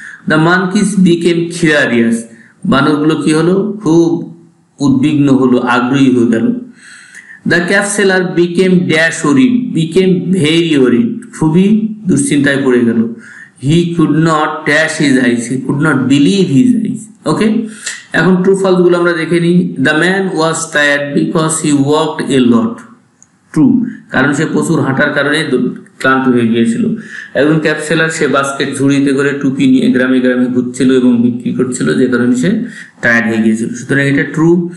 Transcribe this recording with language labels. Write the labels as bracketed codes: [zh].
[en] the monkeys became curious, [bn] বানরগুলো কি হলো, খুব উদ্বিগ্ন হলো, আগ্রহী হয়ে গেল। [en] the cap seller became dash worried, became very worried, [bn] খুবই দুশ্চিন্তায় পড়ে গেল। [en] He could not dash his eyes, he could not believe his eyes. [bn] Okay? এখন ট্রু ফলস গুলো আমরা দেখে নিই। [en] the man was tired because he worked a lot, true, [bn] কারণ সে প্রচুর হাঁটার কারণে ক্লান্ত হয়ে গিয়েছিল। একজন ক্যাপ সেলার, সে বাস্কেট ঝুড়িতে করে টুপি নিয়ে গ্রামে গ্রামে ঘুরছিল এবং বিক্রি করছিল, যে কারণে সে টায়ার্ড হয়ে গিয়েছিল। সুতরাং এটা ট্রু।